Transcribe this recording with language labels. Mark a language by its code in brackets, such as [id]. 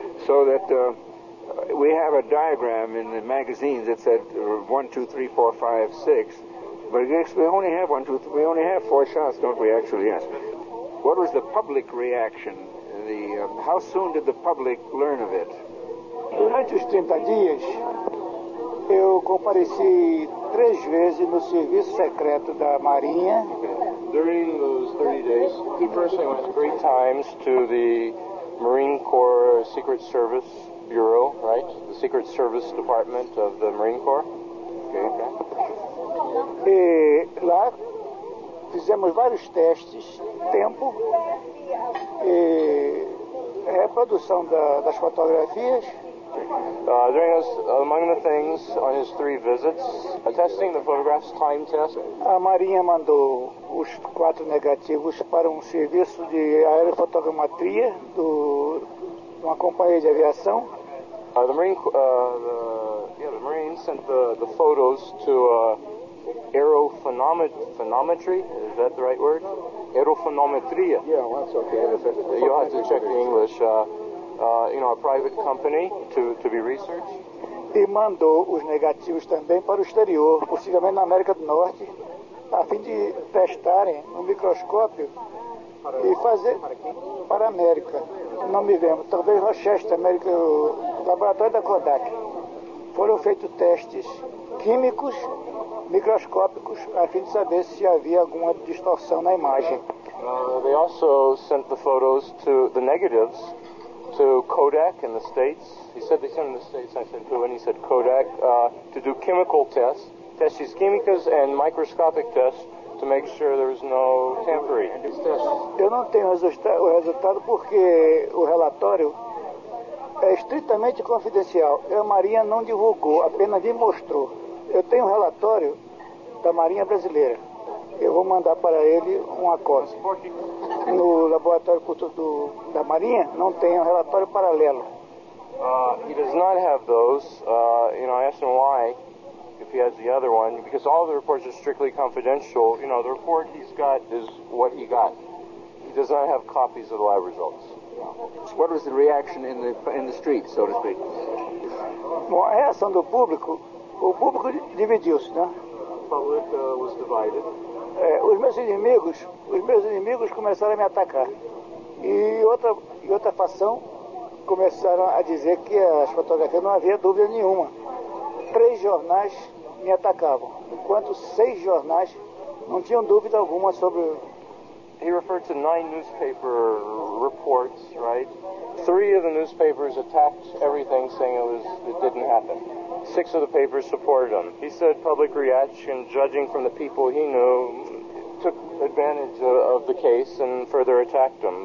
[en] So that we have a diagram in the magazines that said 1, 2, 3, 4, 5, 6. But we only have 1, 2, 3, we only have 4 shots, don't we, actually? Yes. What was the public reaction? How soon did the public learn of it? [pt] Durante os 30 dias, eu compareci 3 vezes no serviço secreto da Marinha. [en] During those 30 days, he personally went 3 times to the Marine Corps Secret Service Bureau, right? The Secret Service Department of the Marine Corps. Okay. [pt] E lá fizemos vários testes, tempo, e reprodução das fotografias. [en] During among the things on his 3 visits, testing the photographs, time test. [pt] A Marinha mandou os 4 negativos para um serviço de aerofotogrametria de uma companhia de aviação. [en] The Marine sent the photos to aerophenometry, is that the right word? [pt] Aerophenometria. [en] Yeah, well, that's okay. You'll have to check the English. A private company to be researched. [pt] E mandou os negativos também para o exterior, possivelmente na América do Norte, a fim de testarem no microscópio e fazer para a América. Não me lembro, talvez Rochester, América, o laboratório da Kodak. Foram feitos testes químicos, microscópicos, a fim de saber se havia alguma distorção na imagem. [en] They also sent the photos to the negatives to Kodak in the States. He said they sent them to the States, I said who, and he said Kodak, to do chemical tests, [pt] testes químicas [en] and microscopic tests to make sure there was no tampering. [pt] Eu não tenho o resultado porque o relatório é estritamente confidencial. A Marinha não divulgou, apenas me mostrou. Eu tenho um relatório da Marinha Brasileira. Eu vou mandar para ele uma cópia. No laboratório da Marinha, não tem um relatório paralelo. [en] He does not have those. I asked him why, if he has the other one, because all the reports are strictly confidential. You know, the report he's got is what he got. He does not have copies of the lab results. So what was the reaction in the street, so to speak? [pt] Bom, a reação do público, o público dividiu-se, né? [en] Public was divided. [pt] Os meus inimigos começaram a me atacar. E outra facção começaram a dizer que as fotografias não havia dúvida nenhuma. 3 jornais me atacavam, enquanto 6 jornais não tinham dúvida alguma sobre. [en] He referred to 9 newspaper reports, right? 3 of the newspapers attacked everything, saying it didn't happen. 6 of the papers supported him. He said public reaction, judging from the people he knew, took advantage of the case and further attacked him.